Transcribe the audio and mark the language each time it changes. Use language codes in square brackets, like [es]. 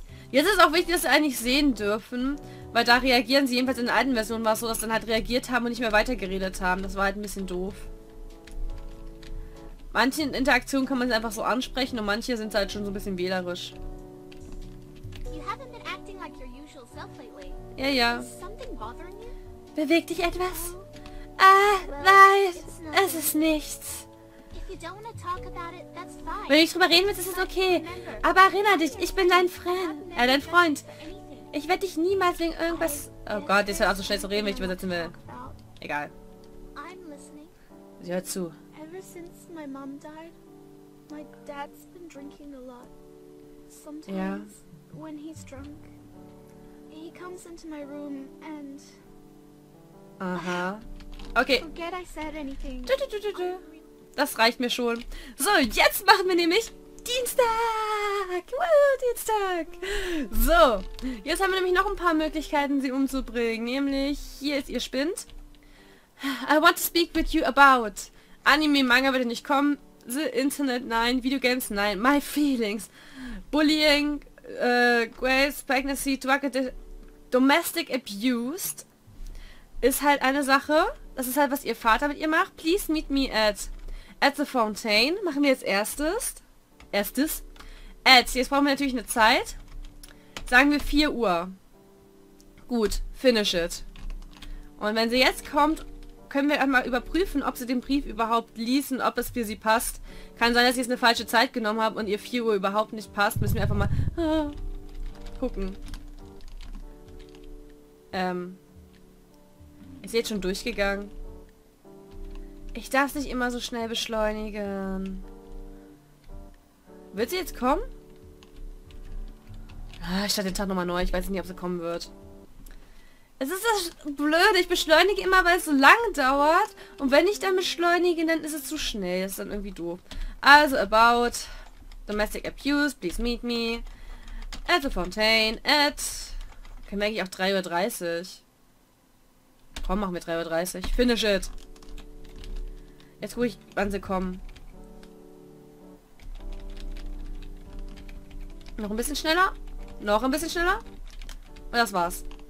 [de] Jetzt ist es auch wichtig, dass sie eigentlich sehen dürfen. Weil da reagieren sie, jedenfalls in der alten Version war es so, dass sie dann halt reagiert haben und nicht mehr weitergeredet haben. Das war halt ein bisschen doof. Manche Interaktionen kann man einfach so ansprechen und manche sind halt schon so ein bisschen wählerisch. [en] You haven't been acting like your usual self lately. [de] Ja, ja. [en] Is something bothering you? [de] Beweg dich etwas? Nein, es ist nichts. [en] If you don't wanna talk about it, that's fine. [de] Wenn ich drüber reden will, ist es okay. Aber erinnere dich, ich bin dein Freund. Dein Freund. Ich werde dich niemals wegen irgendwas... Oh Gott, ich soll auch so schnell zu reden, wenn ich übersetzen will. Egal. Sie hört zu. [en] Since my mom died, my dad's been drinking a lot. Sometimes, yeah. When he's drunk, he comes into my room and... Uh-huh. Okay. Forget I said anything. [de] Du. Das reicht mir schon. So, jetzt machen wir nämlich Dienstag! Woo, Dienstag! So, jetzt haben wir nämlich noch ein paar Möglichkeiten, sie umzubringen. Nämlich, hier ist ihr Spind. [en] I want to speak with you about... [de] Anime, Manga würde nicht kommen. [en] The Internet, nein. Videogames, nein. My feelings. Bullying, Grace, Pregnancy, Drug Addiction, Domestic Abused. [de] Ist halt eine Sache. Das ist halt, was ihr Vater mit ihr macht. [en] Please meet me at the Fountain. [de] Machen wir jetzt erstes. At, jetzt brauchen wir natürlich eine Zeit. Sagen wir 4 Uhr. Gut, finish it. Und wenn sie jetzt kommt... Können wir einmal überprüfen, ob sie den Brief überhaupt liest und ob es für sie passt. Kann sein, dass ich jetzt eine falsche Zeit genommen habe und ihr 4 Uhr überhaupt nicht passt. Müssen wir einfach mal gucken. Ist jetzt schon durchgegangen? Ich darf nicht immer so schnell beschleunigen. Wird sie jetzt kommen? Ich starte den Tag nochmal neu. Ich weiß nicht, ob sie kommen wird. Es ist das Blöde, ich beschleunige immer, weil es so lang dauert. Und wenn ich dann beschleunige, dann ist es zu schnell. Das ist dann irgendwie doof. [en] Also, about domestic abuse, please meet me. At the Fountain, at... [de] Können wir eigentlich auch 3.30 Uhr? Komm, machen wir 3.30 Uhr. Finish it. Jetzt gucke ich, wann sie kommen. Noch ein bisschen schneller. Noch ein bisschen schneller. Und das war's.